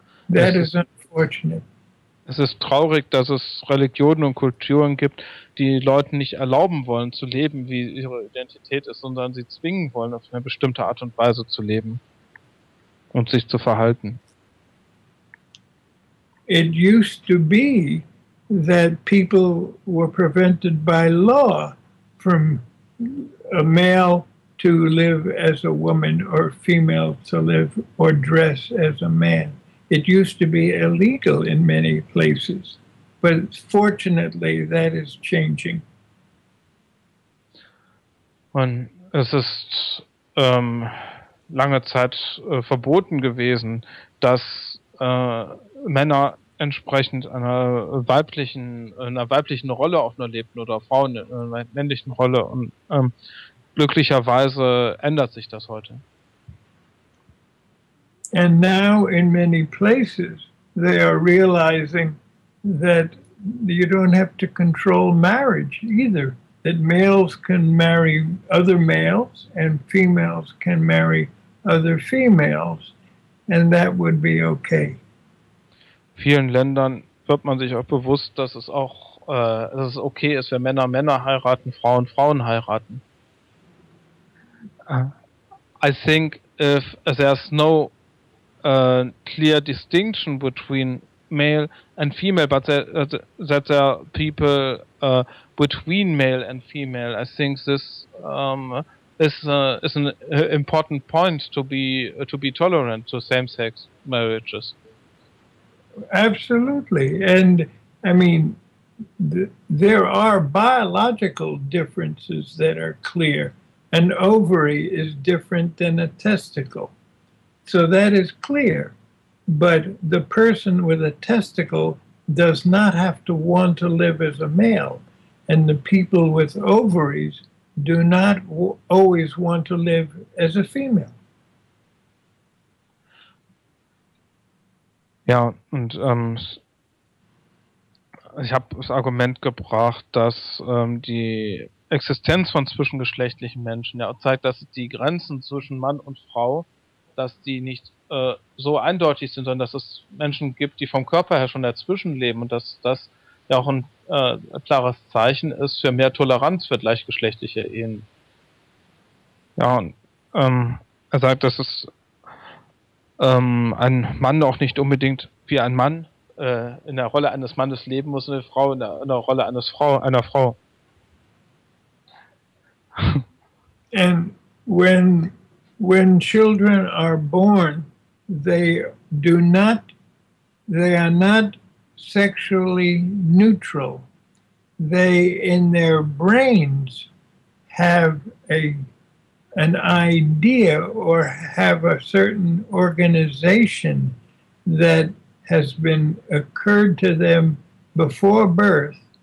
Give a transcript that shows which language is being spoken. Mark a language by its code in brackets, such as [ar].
[en] That is unfortunate. [de] Es ist traurig, dass es Religionen und Kulturen gibt, die Leuten nicht erlauben wollen zu leben, wie ihre Identität ist, sondern sie zwingen wollen, auf eine bestimmte Art und Weise zu leben und sich zu verhalten. [en] It used to be that people were prevented by law from a male to live as a woman or female to live or dress as a man. It used to be illegal in many places, but fortunately that is changing. [de] Und es ist lange Zeit verboten gewesen, dass Männer entsprechend einer weiblichen Rolle auf einer lebten oder Frauen in einer männlichen Rolle. Und glücklicherweise ändert sich das heute. [en] And now in many places they are realizing that you don't have to control marriage either. That males can marry other males and females can marry other females, and that would be okay. [de] In vielen Ländern wird man sich auch bewusst, dass es okay ist, wenn Männer Männer heiraten, Frauen Frauen heiraten. [en] I think if there's no clear distinction between male and female, but that there are people between male and female, I think this is an important point to be tolerant to same-sex marriages. Absolutely, and I mean, there are biological differences that are clear. An ovary is different than a testicle. So that is clear, but the person with a testicle does not have to want to live as a male, and the people with ovaries do not always want to live as a female. [de] Ja, und ich habe das Argument gebracht, dass die Existenz von zwischengeschlechtlichen Menschen ja zeigt, dass die Grenzen zwischen Mann und Frau, dass die nicht so eindeutig sind, sondern dass es Menschen gibt, die vom Körper her schon dazwischen leben und dass das ja auch ein klares Zeichen ist für mehr Toleranz für gleichgeschlechtliche Ehen. Ja, und er sagt, dass es ein Mann auch nicht unbedingt wie ein Mann in der Rolle eines Mannes leben muss und eine Frau in der Rolle einer Frau. [en] When children are born, they are not sexually neutral. They, in their brains, have an idea or have a certain organization that has been occurred to them before birth.